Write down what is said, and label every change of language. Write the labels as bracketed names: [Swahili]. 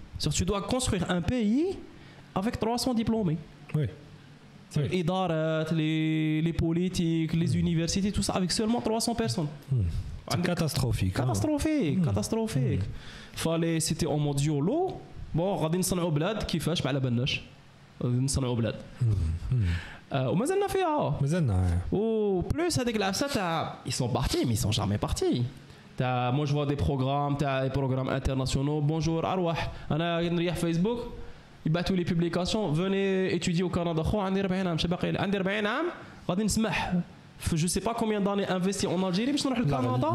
[French] C'est-à-dire tu dois construire un pays avec 300 diplômés. Oui. Oui. Les idarats, les politiques, les universités, tout ça avec seulement 300 personnes. C'est catastrophique. Catastrophique. Fallait c'était en mode YOLO. [Arabic] Bon, غادي نصنعوا بلاد كيفاش مع لا بناش. نصنعوا بلاد ومازلنا فيها مازلنا و بلوس هذيك العفسه تاع [French] ils sont partis mais ils sont jamais partis تاع moi je vois des programmes تاع des programmes internationaux bonjour [Arabic] arwah انا نريح فيسبوك يبعثوا لي [French] publications venez étudier au Canada [Arabic] خو عندي 40 عام شباقي عندي 40 عام غادي نسمح [French] je sais pas combien d'années investir en Algérie [Arabic] باش نروح للكندا